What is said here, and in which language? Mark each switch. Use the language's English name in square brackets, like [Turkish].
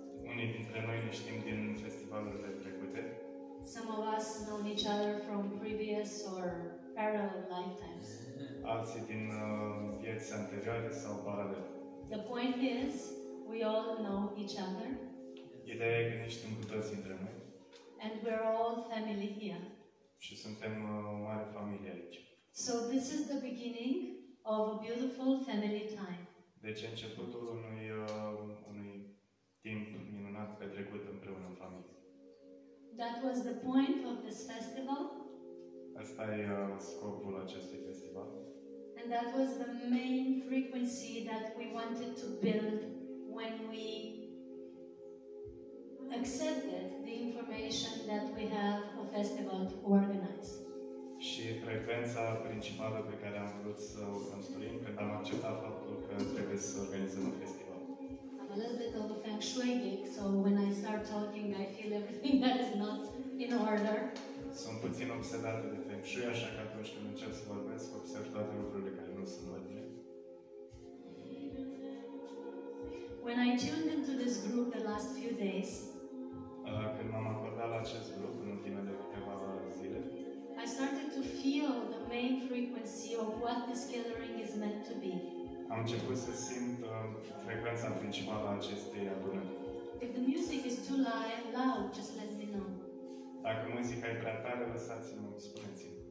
[Romanian] Unii dintre noi ne știm din festivalurile trecute. [English] Some of us know each other from previous or parallel lifetimes. [Romanian] Alții din vieți anterioare sau paralele. [English] The point is, we all know each other. [Romanian] Ideea e că ne știm cu toți dintre noi. [English] And we're all family here. [Romanian] Și suntem o mare familie aici. [English] So this is the beginning of a beautiful family time. [Romanian] Deci începutul unui timp minunat petrecut împreună în familie. [English] That was the point of this festival. [Romanian] Asta e scopul acestui festival. [English] And that was the main frequency that we wanted to build when we accepted the information that we have a festival to organize. [Romanian] Și frecvența principală pe care am vrut să o construim când am acceptat faptul că trebuie să organizăm un festival. [English] I'm a little bit of a feng shui geek, so when I start talking, I feel everything that is not in order. [Romanian] Sunt puțin obsedată de feng shui, așa că atunci când încep să vorbesc, observ toate lucrurile care nu sunt în ordine. [English] When I tuned into this group the last few days, [Romanian] când m-am acordat la acest grup în ultimele de câteva zile, [English] I started to feel the main frequency of what this gathering is meant to be. [Romanian] Am început să simt frecvența principală a acestei aduneri. [English] If the music is too loud, just let me know. [Romanian] Dacă muzica e prea tare, lăsați-mă, spuneți-mi.